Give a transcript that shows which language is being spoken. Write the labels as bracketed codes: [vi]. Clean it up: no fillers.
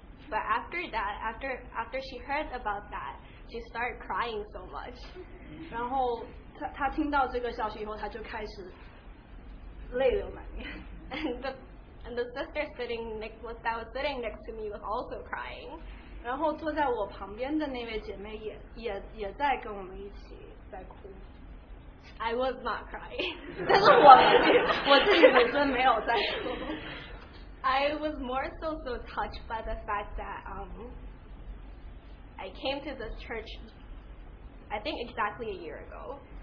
[en] But after that, after she heard about that, she started crying so much. [zh] 然后她听到这个消息以后，她就开始泪流满面。 [en] And the sister sitting next to me was also crying. [zh] 然后坐在我旁边的那位姐妹也在跟我们一起。 [en] I was not crying. [zh] 但是我自己本身没有在哭。 [en] I was more so touched by the fact that I came to this church, I think exactly a year ago.